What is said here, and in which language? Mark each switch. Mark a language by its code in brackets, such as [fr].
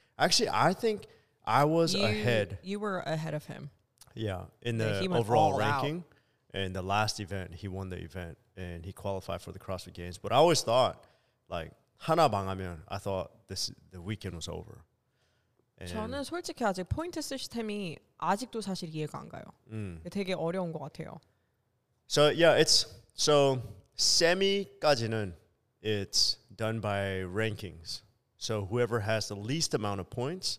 [en] Actually, I think I was ahead. You were ahead of him. Yeah, in the overall ranking. And the last event, he won the event and he qualified for the CrossFit Games. But I always thought, like, [ko] 하나 망하면, [en] I thought the weekend was over. [ko] And 저는 솔직히 아직 포인트 시스템이 아직도 사실 이해가 안 가요. 되게 어려운 것 같아요. [en] So yeah, it's so [ko] semi까지는 [en] it's done by rankings. So whoever has the least amount of points